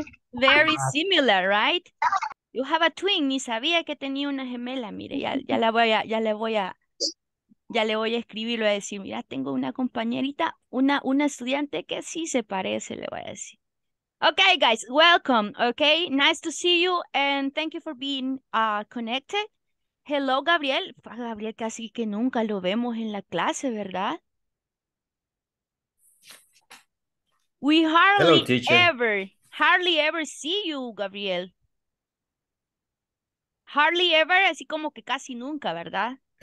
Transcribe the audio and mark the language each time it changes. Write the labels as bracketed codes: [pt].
[en] Very similar, right? You have a twin, [es] ni sabía que tenía una gemela. Mire, ya le voy a escribir, le voy a decir, mira, tengo una compañerita, una estudiante que sí se parece, le voy a decir. [en] Okay, guys, welcome. Okay, nice to see you and thank you for being connected. Hello, Gabriel. [es] Gabriel, casi que nunca lo vemos en la clase, ¿verdad? [en] We hardly ever see you, Gabriel. Hardly ever, [es] así como que casi nunca, ¿verdad?